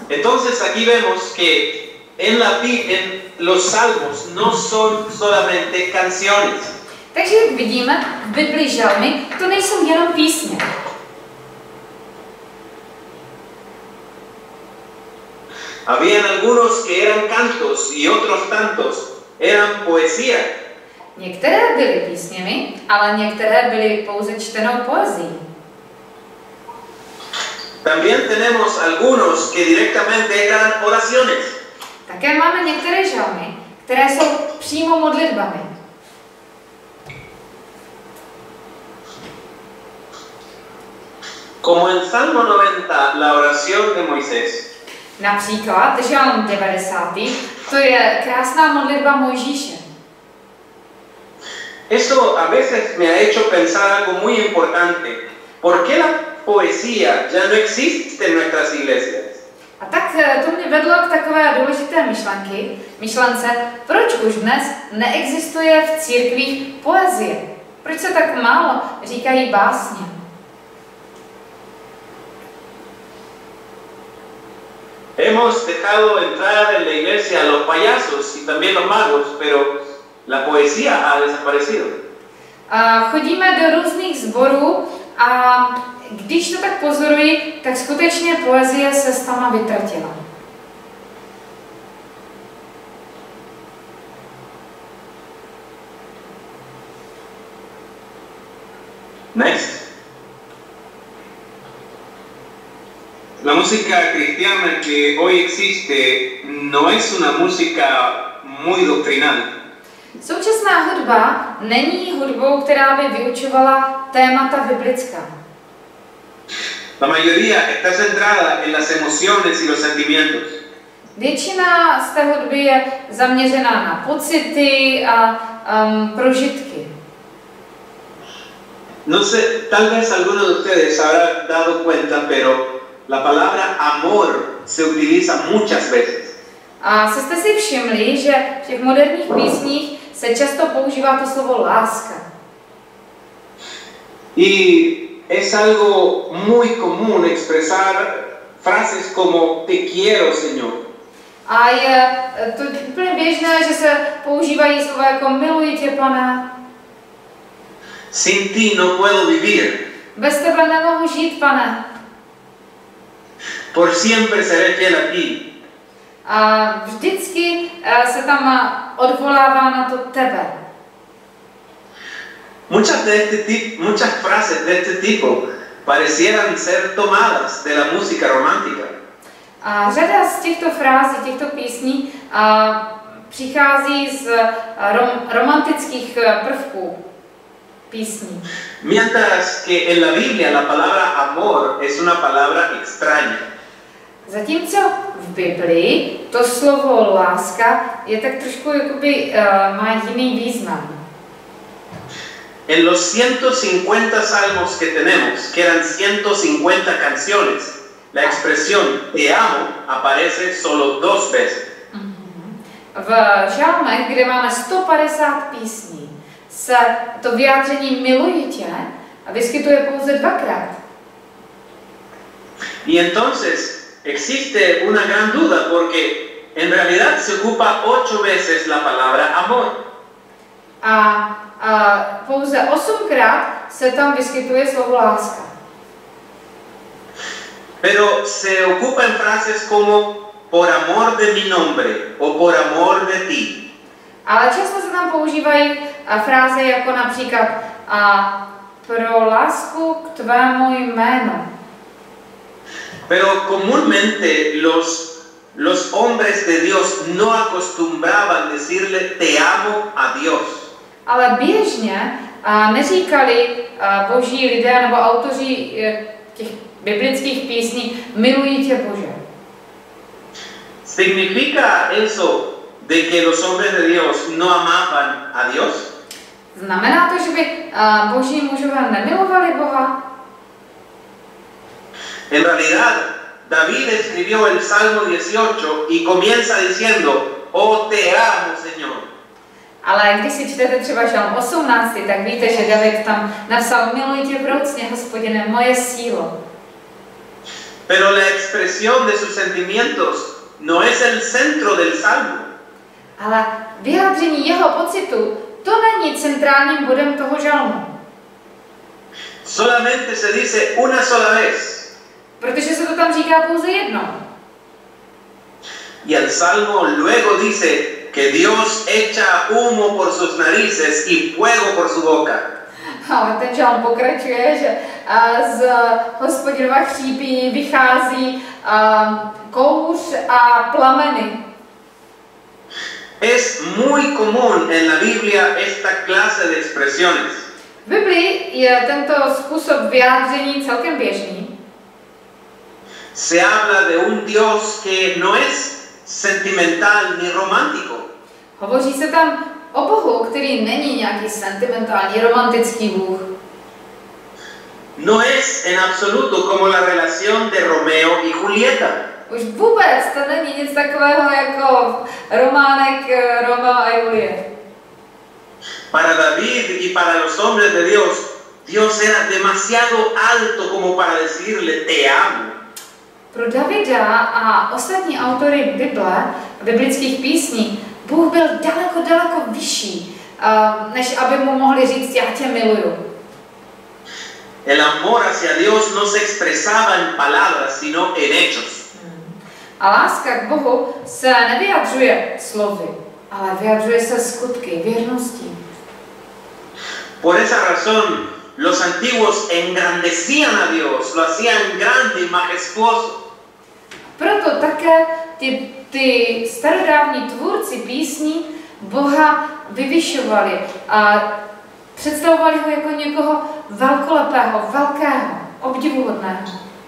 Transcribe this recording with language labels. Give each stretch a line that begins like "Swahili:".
Spanish: Entonces aquí vemos que en los salmos no son solamente canciones.
Czech: Takže jak vidíme, v Biblii žalmy to nejsou jenom písně.
Spanish: Habían algunos que eran cantos y otros tantos. Eran poesía.
Czech: Některé byly písněmi, ale některé byly pouze čtenou poezí.
Spanish: También tenemos algunos que directamente eran oraciones.
Czech: Také máme některé žalmy, které jsou přímo modlitbami.
Spanish: Como en Salmo 90, la oración de Moisés.
Czech: Například žalm 90. To je krásná modlitba Mojžíše.
Spanish: Esto a veces me ha hecho pensar algo muy importante. ¿Por qué la poesía ya no existe en nuestras iglesias?
Czech: A tak to mě vedlo k takové důležité myšlence, proč už dnes neexistuje v církvích poezie? Proč se tak málo říkají básně?
Spanish: Hemos dejado entrar en la iglesia los payasos y también los magos, pero la poesía ha desaparecido.
Czech: Chodíme do různých sborů a když to tak pozoruji, tak skutečně poezie se sama vytratila.
English: Next.
Spanish: La música cristiana que hoy existe no es una música muy doctrinal.
Czech: Současná hudba není hudbou, která by vyučovala témata biblická.
Spanish: La mayoría está centrada en las emociones y los sentimientos.
Czech: Většina z té hudby je zaměřená na pocity a prožitky.
Spanish: No sé, tal vez alguno de ustedes habrá dado cuenta, pero la palabra amor se utiliza muchas veces.
Czech: A jste si všimli, že v těch moderních písních se často používá to slovo láska.
Spanish: Y es algo muy común expresar frases como te quiero, Señor.
Czech: A je to úplně běžné, že se používají slova jako miluji tě, Pane.
Spanish: Sin ti no puedo vivir.
Czech: Bez tebe nemohu žít, Pane.
Spanish: Por siempre seré fiel a ti.
Czech: A vždycky se tam odvolává na to tebe.
Spanish: Muchas de este tipo, muchas frases de este tipo parecieran ser tomadas de la música romántica.
Czech: A řada z těchto frází, těchto písní přichází z romantických prvků písní.
Spanish: Mientras que en la Biblia la palabra amor es una palabra extraña.
Czech: Zatímco v Biblii to slovo láska je tak trošku jakoby má jiný význam.
Spanish: En los 150 salmos que tenemos, que eran 150 canciones, la expresión te amo aparece solo dos veces.
Czech: V žalmech, kde máme 150 písní, se to vyjádření miluji tě vyskytuje pouze dvakrát.
Spanish: Y entonces existe una gran duda porque en realidad se ocupa 8 veces la palabra amor.
Czech: A pouze 8krát se tam vyskytuje slovo láska.
Spanish: Pero se ocupa en frases como por amor de mi nombre o por amor de ti.
Czech: Ale často se tam používají fráze jako například pro lásku k tvému jménu.
Spanish: Pero comúnmente los hombres de Dios no acostumbraban decirle te amo a Dios.
Czech: Ale běžně neříkali boží lidé nebo autoři těch biblických písní miluji tě Bože.
Spanish: Significa eso de que los hombres de Dios no amaban a Dios?
Czech: Znamená to, že by boží mužové nemilovali Boha?
Spanish: En realidad, David escribió el Salmo 18 y comienza diciendo, oh, te amo, Señor.
Czech: Ale když si čtete třeba žalm 18, tak víte, že David tam napsal, miluji tě vroucně, Hospodine, moje sílo.
Spanish: Pero la expresión de sus sentimientos no es el centro del Salmo.
Czech: Ale vyjádření jeho pocitu, to není centrálním bodem toho žalmu.
Spanish: Solamente se dice una sola vez.
Czech: Protože se to tam říká pouze jedno.
Spanish: Y el salmo luego dice que Dios echa humo por sus narices y fuego por su boca.
Czech: A ten žalm pokračuje, že z Hospodinova chřípí vychází kouř a plameny.
Spanish: Es muy común en la Biblia esta clase de expresiones.
Czech: V Biblii je tento způsob vyjádření celkem běžný.
Spanish: Se habla de un Dios que no es sentimental ni romántico.
Czech: Hovoří se tam o Bohu, který není nějaký sentimentální romantický Bůh.
Spanish: No es en absoluto como la relación de Romeo y Julieta.
Czech: Už vůbec to není nic takového jako románek Romeo a Julie.
Spanish: Para David y para los hombres de Dios, Dios era demasiado alto como para decirle te amo.
Czech: Pro Davida a ostatní autory Bible, biblických písní, Bůh byl daleko, daleko vyšší, než aby mu mohli říct, já tě miluju.
Spanish: El amor hacia Dios no se expresaba en palabras, sino en hechos.
Czech: A láska k Bohu se nevyjadřuje slovy, ale vyjadřuje se skutky, věrností.
Spanish: Por esa razón, los antiguos engrandecían a Dios, lo hacían grande y majestuoso.
Czech: Proto také ty starodávní tvůrci písní Boha vyvyšovali a představovali ho jako někoho velkolepého, velkého, obdivuhodného.